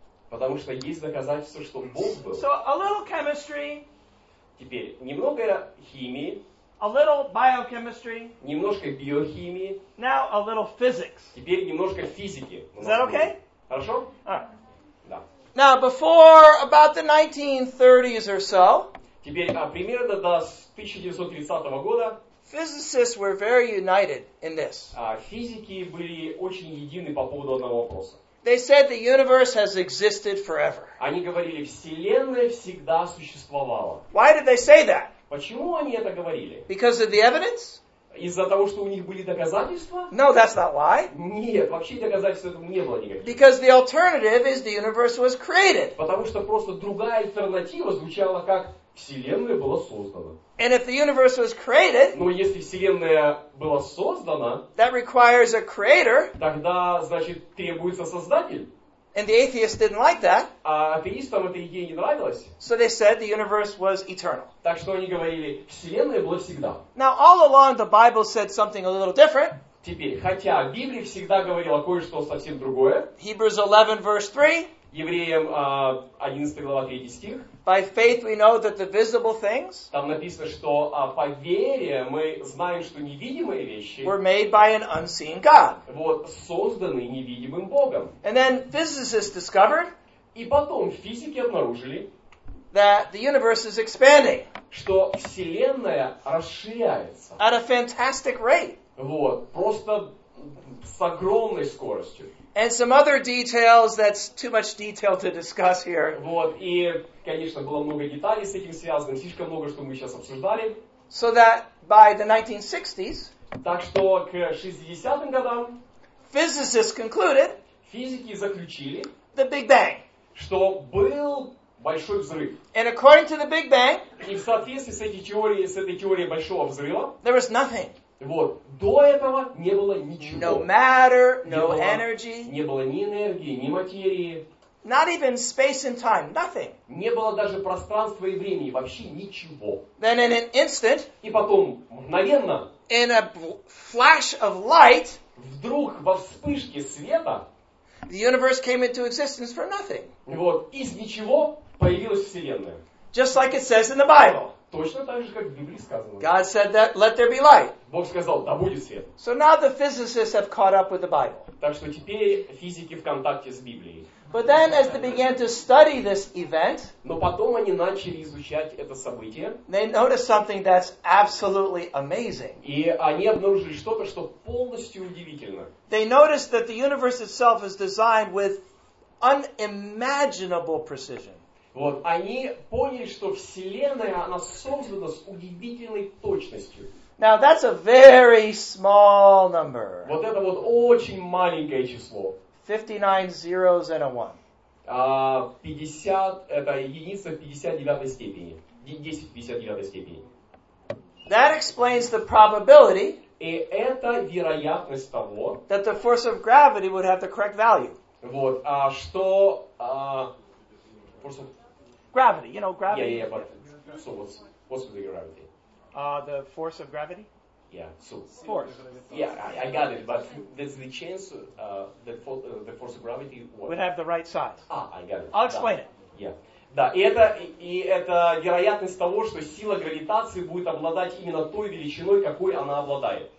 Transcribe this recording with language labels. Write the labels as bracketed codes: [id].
[ru] Потому что есть доказательство, что Бог был. [en] So, a little chemistry... [ru] Теперь немного химии, [en] a little biochemistry, [ru] немножко биохимии, [en] now a little physics. [ru] Теперь немножко физики. [en] Is that okay? [ru] Хорошо? Да. [en] Now before about the 1930s or so, [ru] теперь примерно до 1930 года, [en] physicists were very united in this. [ru] Физики были очень едины по поводу одного вопроса. [en] They said the universe has existed forever. [ru] Они говорили, вселенная всегда существовала. [en] Why did they say that? [ru] Почему они это говорили? [en] Because of the evidence? [ru] Из-за того, что у них были доказательства? [en] No, that's not why. [ru] Нет, вообще доказательств этому не было никаких. [en] Because the alternative is the universe was created. [ru] Потому что просто другая альтернатива звучала как вселенная была создана. [en] And if the universe was created, [ru] но если вселенная была создана, [en] that requires a creator. [ru] Тогда, значит, требуется создатель. [en] And the atheists didn't like that. [ru] А атеистам эта идея не нравилась. [en] So they said the universe was eternal. [ru] Так что они говорили, вселенная была всегда. [en] Now all along the Bible said something a little different. [ru] Теперь, хотя Библия всегда говорила кое-что совсем другое. [en] Hebrews 11 verse 3. [ru] Евреям 11 глава 3 стих. [en] By faith we know that the visible things. [ru] Там написано, что по вере мы знаем, что невидимые вещи. [en] Were made by an unseen God. [ru] Вот созданы невидимым Богом. [en] And then physicists discovered. [ru] И потом физики обнаружили. [en] That the universe is expanding. [ru] Что вселенная расширяется. [en] At a fantastic rate. [ru] Вот просто с огромной скоростью. [en] And some other details that's too much detail to discuss here. [ru] Вот, и, конечно, было много деталей с этим связано, слишком много, что мы сейчас обсуждали. [en] So that by the 1960s, [ru] так что к 60-м годам, [en] physicists concluded, [ru] физики заключили, [en] the Big Bang, [ru] что был большой взрыв. [en] And according to the Big Bang, [ru] и в соответствии с этой теорией, большого взрыва, [en] there was nothing. [ru] Вот, до этого не было ничего. [en] No matter, no energy. [ru] Не было ни энергии, ни материи. [en] Not even space and time, nothing. [ru] Не было даже пространства и времени, вообще ничего. [en] Then in an instant, [ru] и потом, мгновенно, [en] in a flash of light, [ru] вдруг во вспышке света, [en] the universe came into existence for nothing. [ru] Вот, из ничего появилась вселенная. [en] Just like it says in the Bible. [ru] Точно так же, как в Библии сказано. [en] God said that, let there be light. [ru] Бог сказал, да будет свет. [en] So now the physicists have caught up with the Bible. [ru] Так что теперь физики в контакте с Библией. [en] But then as they began to study this event, [ru] но потом они начали изучать это событие, [en] they noticed something that's absolutely amazing. [ru] И они обнаружили что-то, что полностью удивительно. [en] They noticed that the universe itself is designed with unimaginable precision. [ru] Вот, они поняли, что Вселенная, она создана с удивительной точностью. [en] Now that's a very small number. [ru] Вот это вот очень маленькое число. [en] 59 zeros and a 1. [ru] 50 это единица в 59 степени. 10 в 59 степени. [en] That explains the probability. [ru] И это вероятность того, [en] that the force of gravity would have the correct value. [ru] Вот, а что, [en] force of... Gravity, you know, gravity. Yeah, yeah, but, so what's the gravity? The force of gravity? Yeah, so... Force. Yeah, I got it, but there's the chance the force of gravity... What? Would have the right size. I got it. I'll explain it. Yeah. [ru] Да, и это вероятность того, что сила гравитации будет обладать именно той величиной, какой она обладает.